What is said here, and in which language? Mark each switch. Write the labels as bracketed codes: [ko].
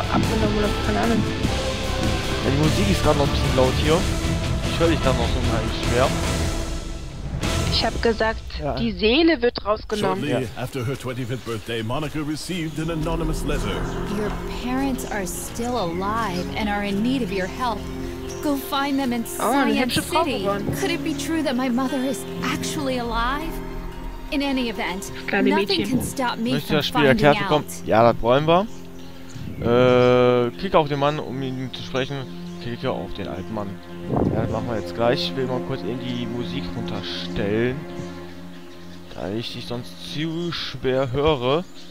[de] oder abgenommen oder keine Ahnung. Ja, die Musik ist gerade noch ein bisschen laut hier. Ich höre dich da noch unheimlich schwer. Ich habe gesagt, ja. Die Seele wird rausgenommen. [en] Shortly after her 25th birthday, Monica received an anonymous letter. Your parents are still alive and are in need of your help. Go find them in Xi'an City. Could it be true that my mother is actually alive? In any event, nothing can stop me from finding out. [de] Möchtest du das Spiel erklärt bekommen? Ja, das wollen wir. Klicke auf den Mann, um ihn zu sprechen. Klicke auf den alten Mann. Ja, das machen wir jetzt gleich. Ich will mal kurz in die Musik runterstellen, da ich dich sonst zu schwer höre.